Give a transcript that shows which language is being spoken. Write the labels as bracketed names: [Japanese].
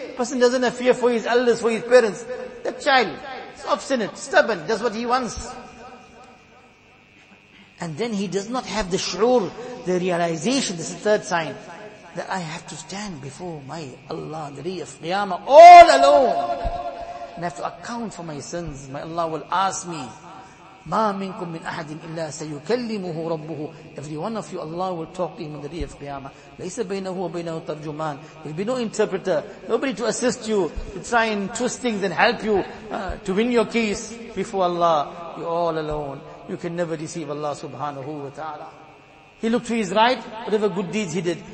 [English] Person doesn't have fear for his elders, for his parents. That child is obstinate, stubborn, does what he wants. And then he does not have the shu'ur, the realization. This is the third sign. That I have to stand before my Allah, the day of Qiyamah, all alone. And I have to account for my sins. My Allah will ask me, [Arabic] مَا مِنْكُمْ مِنْ أَحَدٍ إِلَّا سَيُكَلِّمُهُ رَبُّهُ. [English] Every one of you, Allah will talk to him on the day of Qiyamah. [Arabic] لَيْسَ بَيْنَهُ وَبَيْنَهُ تَرْجُمَانٌ. [English] There will be no interpreter, nobody to assist you, to try and twist things and help you to win your case before Allah. You're all alone. You can never deceive Allah subhanahu wa ta'ala. He looked to his right, whatever good deeds he did.